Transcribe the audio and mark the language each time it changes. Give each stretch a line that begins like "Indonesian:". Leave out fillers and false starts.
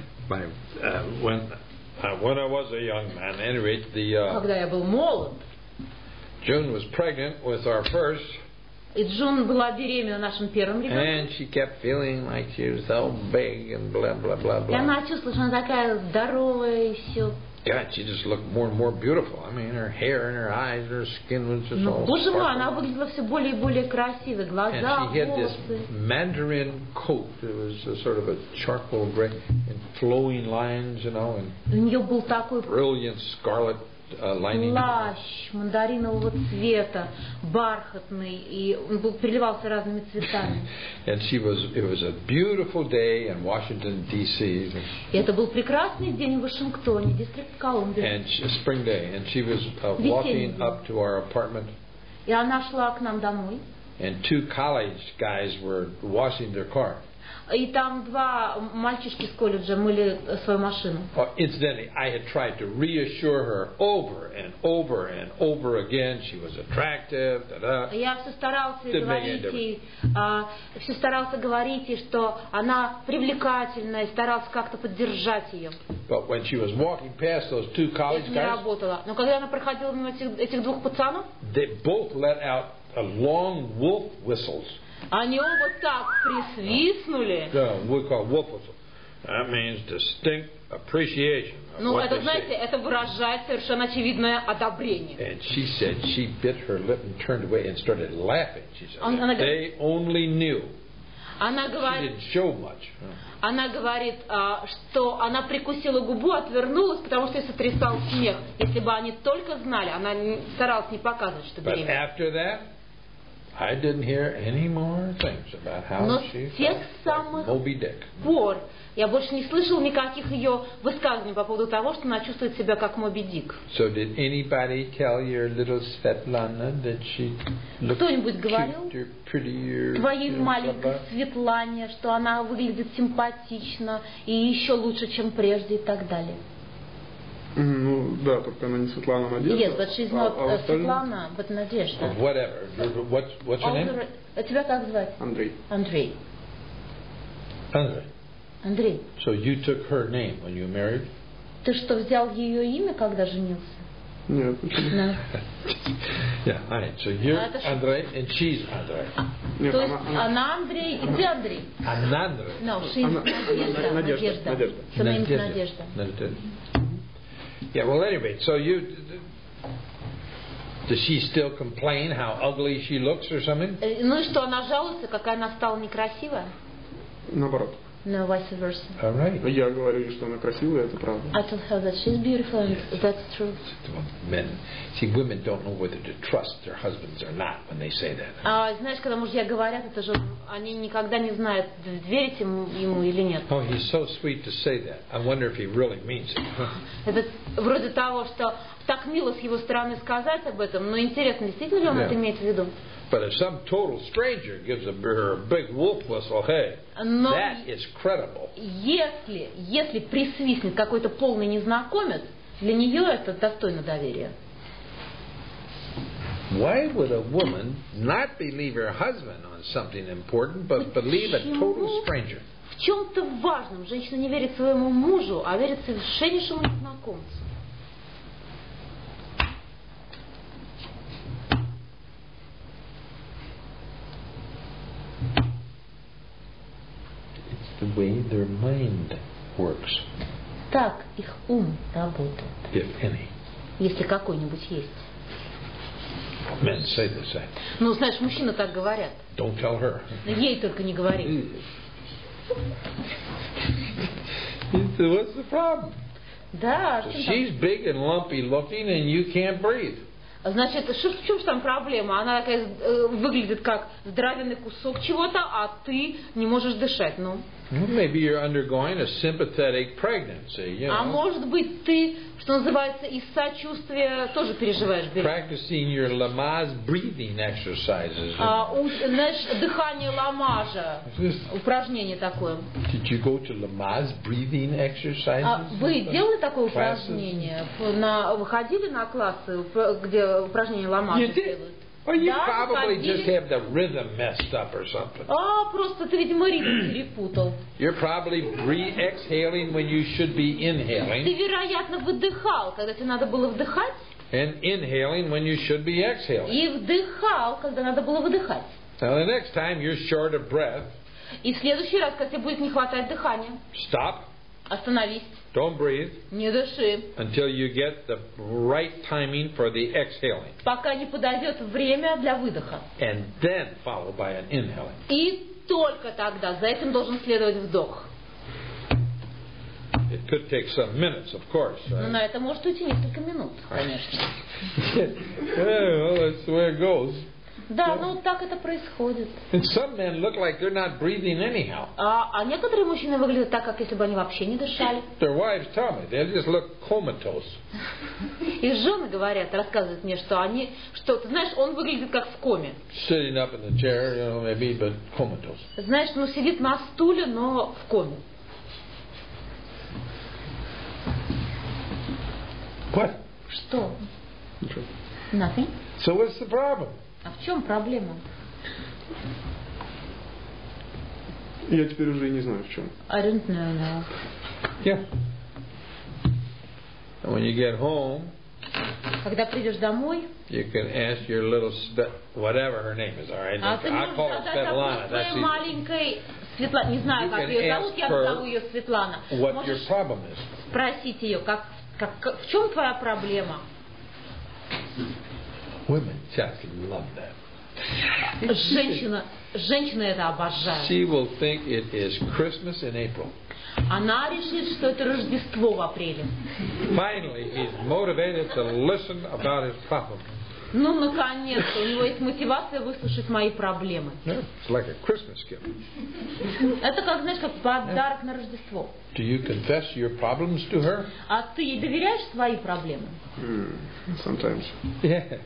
English: When I was a young man, anyway, the.
Russian: Когда я был молод.
English: June was pregnant with our first.
Russian: И Джун была беременна нашим первым ребенком.
English: And she kept feeling like she was so big and blah blah blah blah.
Russian: И она чувствовала, что она такая здоровая и все.
English: God, she just looked more and more beautiful. I mean, her hair and her eyes, her skin was just all.
Russian: Боже мой, она выглядела все более и более красивой, глаза, волосы.
English: And she had this mandarin coat. It was a sort of a charcoal gray, and flowing lines, you know, and.
Russian: У нее был такой.
English: Brilliant scarlet.
Russian: Плащ мандаринового цвета, бархатный, и он был переливался разными цветами.
English: And she was, it was a beautiful day in Washington D.C.
Russian: И это был прекрасный день в Вашингтоне, Дистрикт Колумбия.
English: And she, spring day, and she was walking up to our apartment.
Russian: И она шла к нам домой.
English: And two college guys were washing their car.
Russian: И там два мальчишки с колледжа мыли свою машину.
English: Incidentally, I had tried to reassure her over and over and over again. She was attractive.
Russian: Я все старался говорить ей, что она привлекательная, и старался как-то поддержать ее.
English: But when she was walking past those two college guys,
Russian: не работала. Но когда она проходила мимо этих двух пацанов,
English: they both let out a long wolf whistles.
Russian: Они оба так присвистнули.
English: Да, we call wolf whistle. That means distinct appreciation.
Russian: Ну, это, знаете, это выражает совершенно очевидное одобрение.
English: And she said she bit her lip and turned away and started laughing. She said they only knew.
Russian: Она говорит, она говорит, что она прикусила губу, отвернулась, потому что ей сотрясал смех. Если бы они только знали, она старалась не показывать, что беременна.
English: But after that, I didn't hear any more things about how
Russian: Но
English: she felt about Moby Dick.
Russian: Пор, я больше не слышал никаких ее высказываний по поводу того, что она чувствует себя как Моби Дик.
English: So did anybody tell your little Svetlana that she looked cuter, prettier?
Russian: Твоей маленькой Светлане, что она выглядит симпатично и еще лучше, чем прежде и так далее. Ну да, только она не Светлана, Надежда.
English: Yes, but she's not Светлана, but Надежда. Whatever. What's your name?
Russian: Тебя как звать? Андрей. Андрей.
English: So you took her name when you married?
Russian: Ты что, взял ее имя, когда женился? Нет.
English: Yeah, all right. So you're Андрей, and she's Андрей.
Russian: То есть она Андрей, и ты Андрей. Анандрей.
English: No, she's Надежда. Надежда. Надежда. Yeah, well, anyway, so you... Does she still complain how ugly she looks or something?
Russian: Ну и что, она жалуется, какая она стала некрасивая? Наоборот.
English: No, vice versa. All right.
Russian: Я говорю, что она красивая, это правда.
English: I told her that she's beautiful and that's true. Men. See, women don't know whether to trust their husbands or not when they say that.
Russian: А знаешь, когда мужья говорят, это же они никогда не знают, верить ему или нет.
English: Oh, he's so sweet to say that. I wonder if he really means it.
Russian: Это вроде того, что так мило с его стороны сказать об этом, но интересно, действительно ли он это имеет в виду?
English: But if some total stranger gives her a big wolf whistle, hey,
Russian: Но
English: that is credible.
Russian: Если присвистнет какой-то полный незнакомец, для нее это достойно доверия.
English: Why would a woman not believe her husband on something important, but believe a total stranger?
Russian: В чем-то важном женщина не верит своему мужу, а верит совершеннейшему незнакомцу.
English: The way their mind works.
Russian: Так их ум работает.
English: If any.
Russian: Если какой-нибудь есть.
English: Men say this, eh?
Russian: Ну, знаешь, мужчины так говорят.
English: Don't tell her.
Russian: Ей только не говори.
English: What's the problem?
Russian: Да,
English: She's big and lumpy looking and you can't breathe.
Russian: Значит, в чем же там проблема? Она такая выглядит как здоровенный кусок чего-то, а ты не можешь дышать, ну.
English: Maybe you're undergoing a sympathetic pregnancy, you know.
Russian: А может быть ты, что называется, из сочувствия тоже переживаешь беременность.
English: Practicing your Lamaze breathing exercises.
Russian: Знаешь, дыхание Ламажа. Упражнение такое.
English: Did you go to Lamaze breathing exercises?
Russian: Вы делали такое упражнение? Выходили на классы, где упражнение Ламажа делают?
English: Well, you probably just have the rhythm messed up or something.
Russian: Просто ты, видимо, ритм перепутал.
English: You're probably exhaling when you should be inhaling.
Russian: Ты, вероятно, выдыхал, когда тебе надо было вдыхать.
English: And inhaling when you should be exhaling.
Russian: И вдыхал, когда надо было выдыхать.
English: Now, the next time you're short of breath.
Russian: И в следующий раз, когда тебе будет не хватать дыхания.
English: Stop.
Russian: Остановись.
English: Don't breathe.
Russian: Не дыши.
English: Until you get the right timing for the exhaling.
Russian: Пока не подойдет время для выдоха.
English: And then followed by an inhaling.
Russian: И только тогда за этим должен следовать вдох.
English: It could take some minutes, of course.
Russian: Но на это может уйти несколько минут, конечно.
English: Yeah, well, that's the way it goes.
Russian: Да, ну так это происходит.
English: And some men look like they're not breathing anyhow.
Russian: А некоторые мужчины выглядят так, как если бы они вообще не дышали.
English: Their wives tell me they just look comatose.
Russian: И жены говорят, рассказывают мне, что они, что, ты знаешь, он выглядит как в коме.
English: Sitting up in the chair, you know, maybe, but comatose.
Russian: Знаешь, ну сидит на стуле, но в коме.
English: What?
Russian: Что?
English: Nothing. So what's the problem?
Russian: А в чем проблема? Я теперь уже и не знаю, в чем.
English: I don't know now. Yeah. When you get home,
Russian: когда придешь домой,
English: you can ask your little whatever her name is, all right? I call her Svetlana. That's easy.
Russian: Не знаю, как ее зовут, я назову ее Светлана.
English: What your problem is?
Russian: Спросить ее, в чем твоя проблема?
English: Women just love that.
Russian: Женщина это обожает.
English: She will think it is Christmas in April.
Russian: Она решит, что это Рождество в апреле.
English: Finally, he's motivated to listen about his problem.
Russian: Ну, наконец-то, у него есть мотивация выслушать мои проблемы.
English: It's like a Christmas gift.
Russian: Это как, знаешь, как подарок на Рождество.
English: Do you confess your problems to her?
Russian: А ты ей доверяешь свои проблемы?
English: Sometimes. Yeah.